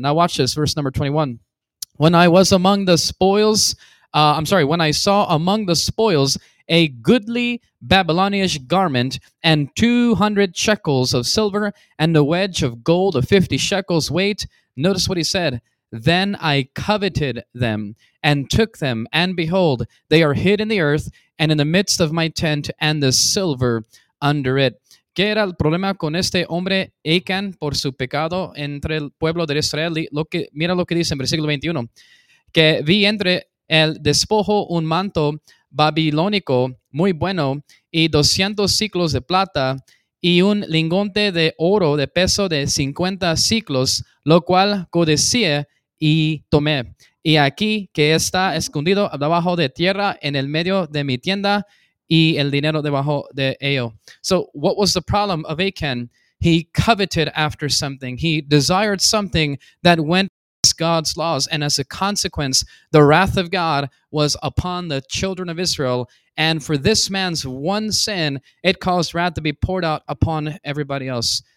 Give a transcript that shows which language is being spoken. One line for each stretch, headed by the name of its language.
English: Now watch this, verse number 21. When I saw among the spoils a goodly Babylonian garment and 200 shekels of silver and a wedge of gold of 50 shekels weight, notice what he said, then I coveted them and took them, and behold, they are hid in the earth and in the midst of my tent, and the silver under it.
Spanish: ¿Qué era el problema con este hombre Achan por su pecado entre el pueblo de Israel? Mira lo que dice en versículo 21. Que vi entre el despojo un manto babilónico muy bueno y 200 siclos de plata y un lingote de oro de peso de 50 siclos, lo cual codicié y tomé. Y aquí que está escondido debajo de tierra en el medio de mi tienda y el dinero debajo de ello.
English: So what was the problem of Achan? He coveted after something. He desired something that went against God's laws. And as a consequence, the wrath of God was upon the children of Israel. And for this man's one sin, it caused wrath to be poured out upon everybody else.